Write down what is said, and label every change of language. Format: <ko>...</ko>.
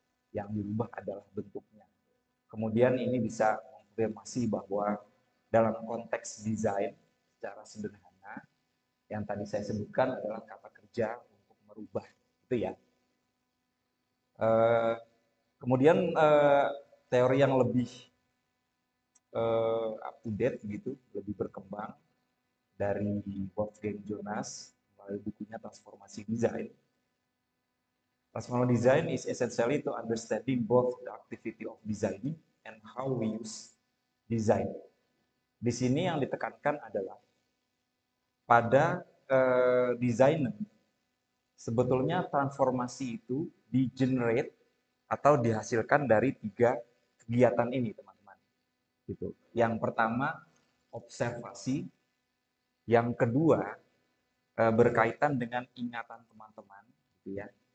<id>Yang dirubah adalah bentuknya. Kemudian ini bisa mengkonfirmasi bahwa dalam konteks desain secara sederhana yang tadi saya sebutkan adalah kata kerja untuk merubah itu ya. Kemudian teori yang lebih up to date gitu, lebih berkembang dari Wolfgang Jonas melalui bukunya Transformasi Design.</id> <en>Transformasi Design is essentially to understanding both the activity of designing and how we use design.</en> <id>Di sini yang ditekankan adalah pada desainer sebetulnya transformasi itu di-generate atau dihasilkan dari tiga kegiatan ini, teman-teman. Gitu. Yang pertama, observasi. Yang kedua, berkaitan dengan ingatan teman-teman. Gitu ya.</id>